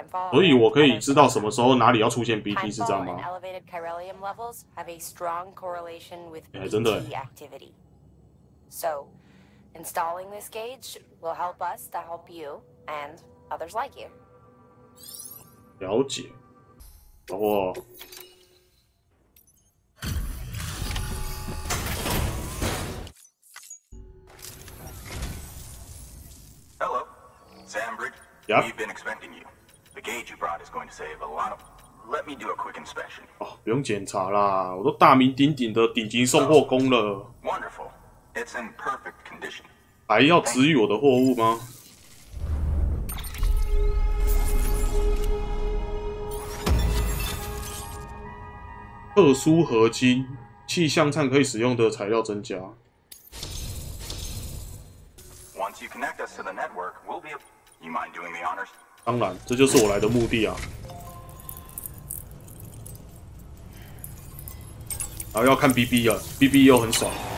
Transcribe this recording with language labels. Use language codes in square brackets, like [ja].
[zh] 所以我可以知道什么时候哪里要出现 BT 是这样吗？ [en] Elevated chiralium levels have a strong correlation with BT activity. So, installing this gauge will help us to help you and others like you. [zh] 了解。哦。 [en] Hello, Sambrick. Yeah. We've been expecting you. The gauge you brought is going to save a lot of. Let me do a quick inspection. [zh] 哦，不用检查啦，我都大名鼎鼎的顶级送货工了。 [en] Wonderful. It's in perfect condition. [zh] 还要质疑我的货物吗？特殊合金。气象站可以使用的材料增加。 [en] Once you connect us to the network, we'll be. You mind doing the honors? [zh] 当然，这就是我来的目的啊！然后要看 BB 了 ，BB 又很爽。